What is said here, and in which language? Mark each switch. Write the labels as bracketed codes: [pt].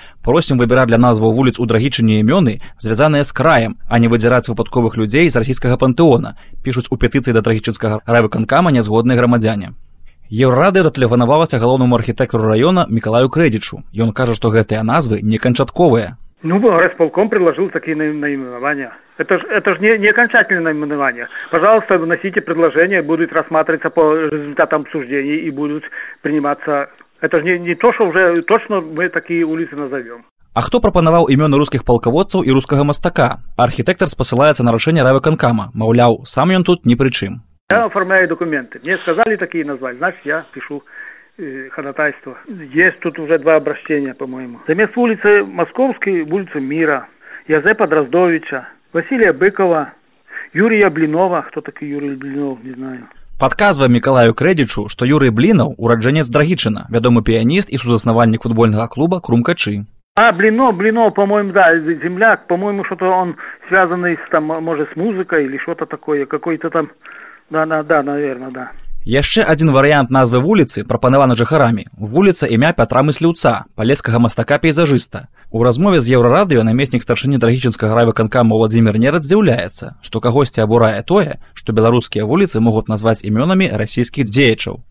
[be] Просім выбіраць для назваў вуліц у Драгічыне імёны, звязаныя з краем, а не выдзіраць выпадковых людзей з расійскага пантэона, пішуць у петыцыі да Драгічынскага райвыканкама нязгодныя грамадзяне. Еўрадыё датэлефанавалася галоўнаму архітэктару района Мікалаю Крэдзічу. Ён кажа, што гэтыя назвы не канчатковыя. [ru] Ну, райсполком предложил такие наименования. Это ж не окончательное наименование. Пожалуйста, вносите предложение, будут рассматриваться по результатам обсуждений и будут приниматься. Это ж не то, что уже точно мы такие улицы назовем. [be] А хто прапанаваў імёны рускіх палкаводцаў і рускага мастака? Архітэктар спасылаецца на рашэнне райвыканкама. Маўляў, сам ён тут ні пры чым. [ru] Я оформляю документы. Мне сказали такие назвать, значит, я пишу ходатайство. Есть тут уже два обращения, по-моему. Замест улицы Московской, улица Мира, Язепа Дроздовича, Василия Быкова, Юрия Блинова. Кто такой Юрий Блинов, не знаю. [be] Падказвае Мікалаю Крэдзічу, што Юрий Блінаў – ураджэнец Драгічына, вядомы піяніст і сузаснавальнік футбольнага клуба «Крумкачы». [ru] А, Блинов, по-моему, да, земляк, по-моему, что-то он связанный с, там, может, с музыкой или что-то такое, какой-то там... Да, наверное, да. [be] Яшчэ адзін варыянт назвы вуліцы прапанаваны жыхарамі. Вуліца імя Пятра Мысліўца, палескага мастака-пейзажыста. У размове з Еўрарадыё намеснік старшыні Драгічынскага райвыканкама Владзімір Нерад здзіўляецца, што кагосьці абурае тое, што беларускія вуліцы могуць назваць імёнамі расійскіх дзеячаў.